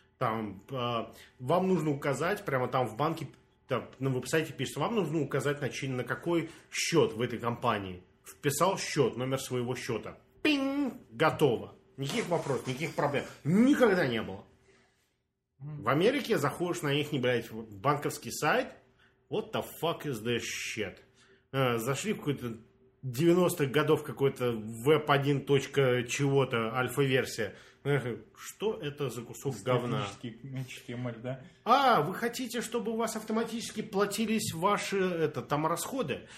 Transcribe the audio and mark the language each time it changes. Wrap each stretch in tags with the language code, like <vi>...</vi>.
<ru>Там, вам нужно указать, прямо там в банке, там, на веб-сайте пишется, вам нужно указать на какой счет в этой компании. Вписал счет, номер своего счета. Пинг! Готово. Никаких вопросов, никаких проблем. Никогда не было. В Америке заходишь на их, блядь, банковский сайт.</ru> <en>What the fuck is this shit?</en> <ru>Зашли в какой-то 90-х годов какой-то веб-1 чего-то, альфа-версия. Что это за кусок говна? Статический HTML, да? А, вы хотите, чтобы у вас автоматически платились ваши это, там, расходы?</ru>